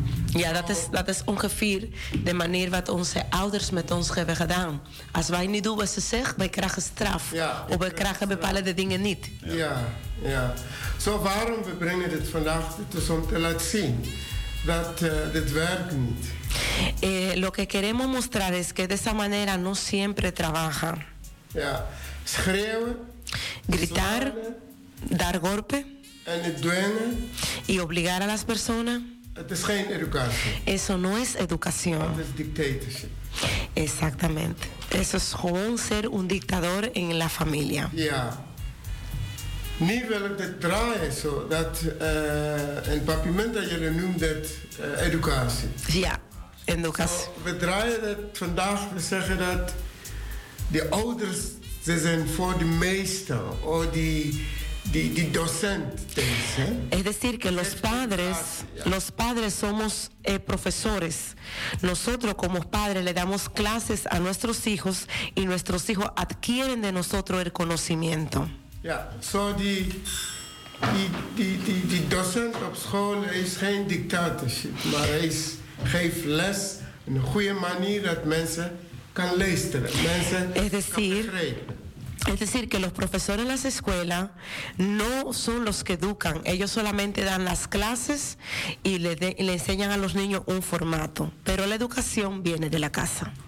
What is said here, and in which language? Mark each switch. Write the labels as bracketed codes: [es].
[nl] Ja, dat is ongeveer de manier wat onze ouders met ons hebben gedaan. Als wij niet doen wat ze zeggen, wij krijgen straf. Ja, of wij krijgen bepaalde dingen niet. Ja, ja. Zo, waarom we brengen dit vandaag? Het is om te laten zien dat dit werkt niet. [es] Lo que queremos mostrar es que de esa manera no siempre trabaja. [nl] Ja. Schreeuwen. [es] Gritar. Zwaren, dar golpe. [nl] En het dwingen. [es] Y obligar a las personas. [nl] Het is geen educatie. [es] Eso no es educación. Dat is dictatorship. Exactamente. Eso es gewoon ser un dictador en la familia. [nl] Ja. Nu wil ik dit draaien zo. Dat in papimenta jullie noemen dat educatie. Ja, educatie. So, we draaien dat vandaag. We zeggen dat de ouders, ze zijn voor de meester. Of die docent. [es] Es decir, que los padres somos profesores. Nosotros como padres le damos clases a nuestros hijos y nuestros hijos adquieren de nosotros el conocimiento. [nl] Ya, so die docent op school is geen dictatorship, maar hij geeft les in een goede manier dat mensen kan luisteren, mensen kan begrijpen. [es] Es decir, que los profesores en las escuelas no son los que educan. Ellos solamente dan las clases y le enseñan a los niños un formato. Pero la educación viene de la casa.